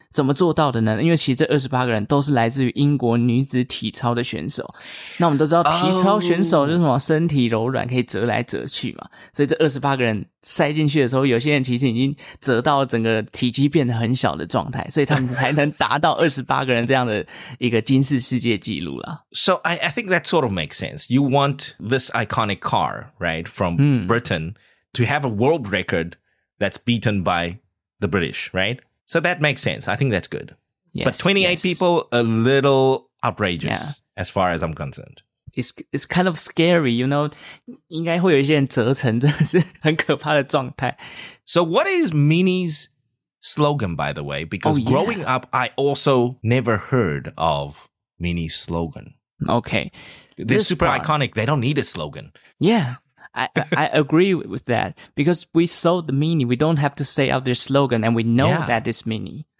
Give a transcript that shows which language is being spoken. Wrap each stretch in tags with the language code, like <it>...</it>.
<zh>怎么做到的呢？因为其实这28个人都是来自于英国女子体操的选手。那我们都知道体操选手就是什么身体柔软可以折来折去嘛。所以这28个人塞进去的时候有些人其实已经折到整个体积变得很小的状态。所以他们还能达到28个人这样的一个金氏世界纪录啦。</zh> <en>So I think that sort of makes sense. You want this iconic car, right, from Britain to have a world record that's beaten by the British, right? So that makes sense. I think that's good. Yes, but 28 yes. people, a little outrageous as far as I'm concerned. It's kind of scary, you know.</en> <zh>应该会有一些人折成真的是很可怕的状态。</zh> <en>So what is Mini's slogan, by the way? Because growing up, I also never heard of Mini's slogan. Okay. They're super iconic. They don't need a slogan. Yeah, I agree with that. Because we saw the Mini, we don't have to say out their slogan, and we know that it's Mini.</en>